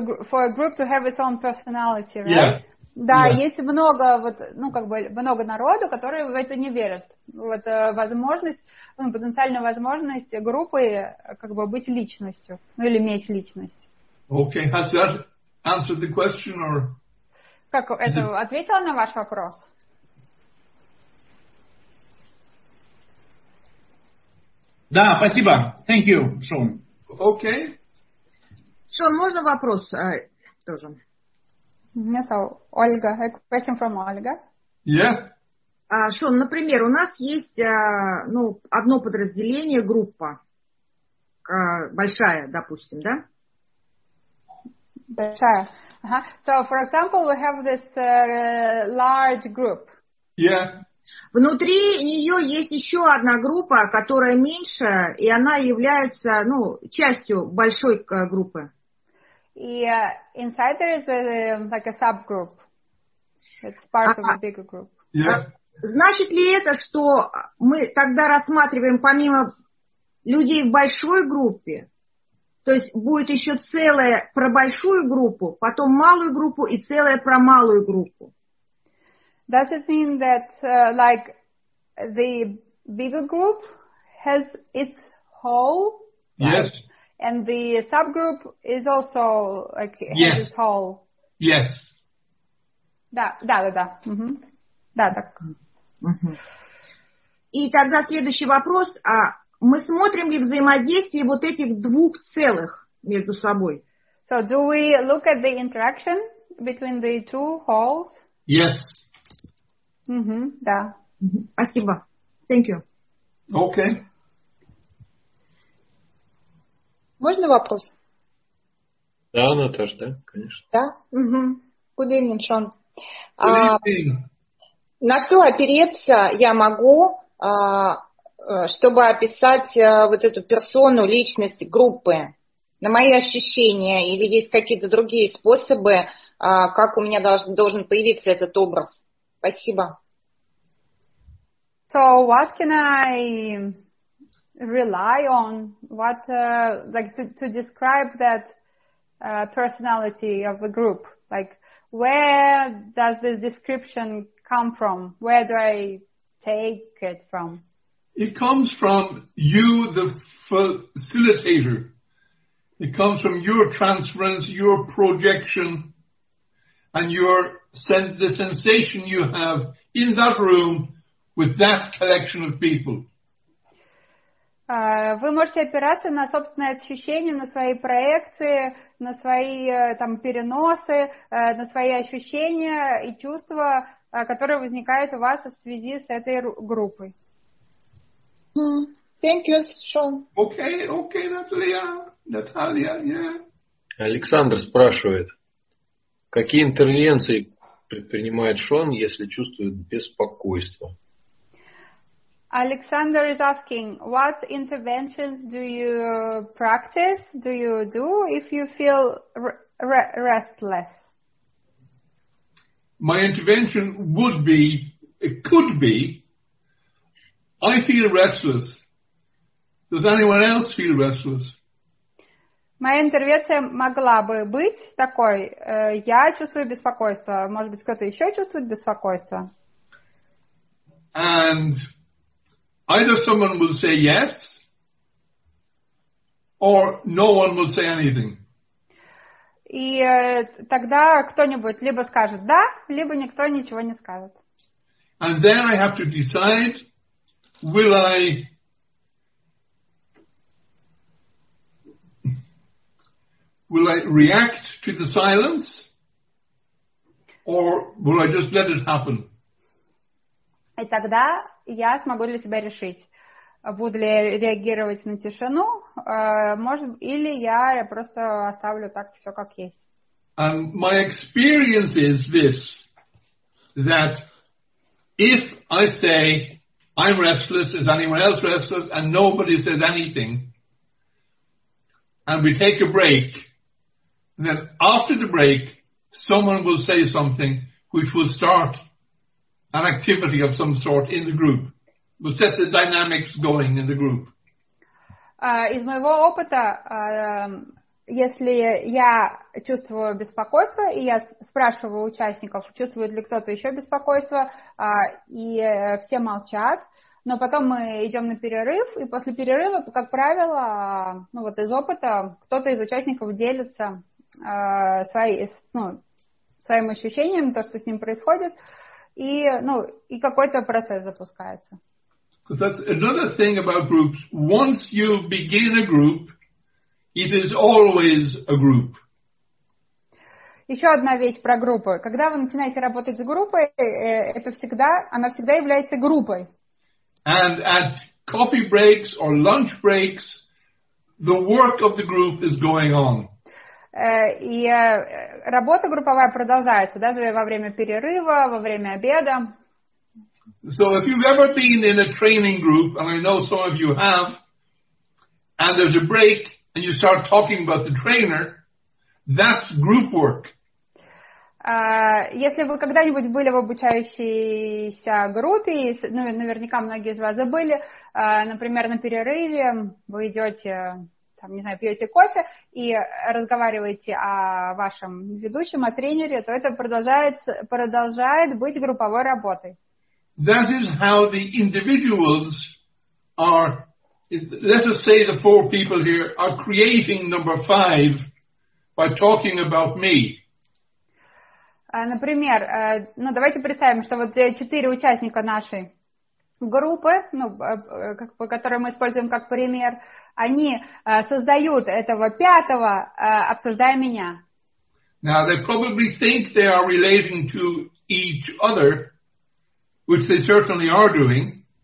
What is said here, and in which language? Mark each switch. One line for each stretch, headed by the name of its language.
English: For a group to have its own personality, right? Yeah.
Russian: Да,
English: yeah.
Russian: Есть много вот, ну как бы много народу, которые в это не верят. Вот возможность, ну, потенциальная возможность группы как бы быть личностью, ну или иметь личность.
English: Okay, has that answered the question or?
Russian: Как это ответило на ваш вопрос? Да, спасибо.
English: Thank you, Шон. Okay.
Russian: Шон, можно вопрос тоже?
English: Yes, Ольга. A question from Ольга. Yeah.
Russian: Шон, например, у нас есть ну, одно подразделение, группа. Большая, допустим, да? Большая. Uh-huh.
English: So, for example, we have this large group. Yeah.
Russian: Внутри нее есть еще одна группа, которая меньше, и она является, ну, частью большой группы.
English: Yeah, inside there is like a subgroup. It's part of a bigger group. Yeah.
Russian: Значит ли это, что мы тогда рассматриваем помимо людей в большой группе, то есть будет еще целое про большую группу, потом малую группу и целое про малую группу?
English: Does it mean that like the bigger group has its whole? Yes. And the subgroup is also like yes. this whole. Yes.
Russian: Да. Mm-hmm. Да, так. Mm-hmm. И тогда следующий вопрос. А мы смотрим ли взаимодействие вот этих двух целых между собой?
English: So do we look at the interaction between the two halls? Yes.
Russian: Mm-hmm. Да.
English: Mm-hmm.
Russian: Спасибо.
English: Thank you. Okay.
Russian: Можно вопрос? Да, Наташа, да, конечно. Да? Угу.
English: Good evening, Sean. Good evening.
Russian: На что опереться я могу, чтобы описать вот эту персону, личность группы? На мои ощущения или есть какие-то другие способы, как у меня должен появиться этот образ? Спасибо.
English: So what can I rely on, what like to describe that personality of the group, like where does this description come from, where do I take it from? It comes from you, the facilitator. It comes from your transference, your projection, and your the sensation you have in that room with that collection of people.
Russian: Вы можете опираться на собственные ощущения, на свои проекции, на свои там переносы, на свои ощущения и чувства, которые возникают у вас в связи с этой группой.
English: Thank you, Sean. Okay, Наталья, yeah.
Russian: Александр спрашивает, какие интервенции предпринимает Шон, если чувствует беспокойство?
English: Alexander is asking, what interventions do you practice, do you do, if you feel restless? My intervention would be, it could be, I feel restless. Does anyone else feel restless?
Russian: Моя интервенция могла бы быть такой, я чувствую беспокойство. Может быть, кто-то еще чувствует беспокойство?
English: And either someone will say yes, or no one will say anything.
Russian: И тогда кто-нибудь либо скажет да, либо никто ничего не скажет.
English: And then I have to decide, will I react to the silence, or will I just let it happen?
Russian: И тогда я смогу для себя решить, буду ли реагировать на тишину, может, или я просто оставлю так все как есть.
English: And my experience is this, that if I say I'm restless, is anyone else restless, and nobody says anything, and we take a break, then after the break, someone will say something which will start an activity of some sort in the group, will set the dynamics going in the group.
Russian: Из моего опыта, если я чувствую беспокойство, и я спрашиваю участников, чувствует ли кто-то еще беспокойство, и все молчат, но потом мы идем на перерыв, и после перерыва, как правило, ну вот из опыта, кто-то из участников делится своим ощущением, то, что с ним происходит, И какой-то процесс запускается.
English: Because that's another thing about groups. Once you begin a group, it is always a group.
Russian: Еще одна вещь про группы. Когда вы начинаете работать с группой, это всегда, она всегда является группой.
English: And at coffee breaks or lunch breaks, the work of the group is going on.
Russian: И работа групповая продолжается даже во время перерыва, во время обеда.
English: So if you've ever been in a training group, and I know some of you have, and there's a break and you start talking about the trainer, that's group work.
Russian: Если вы когда-нибудь были в обучающейся группе, ну наверняка многие из вас забыли, например, на перерыве вы идете. Там, не знаю, пьете кофе и разговариваете о вашем ведущем, о тренере, то это продолжает быть групповой работой.
English: That is how the individuals are let us say the four people here are creating number five by talking about me.
Russian: Например, ну давайте представим, что вот четыре участника нашей группы, ну, которые мы используем как пример, они создают этого пятого, обсуждая меня.
English: Now they probably think they are relating to each other, which they certainly are doing.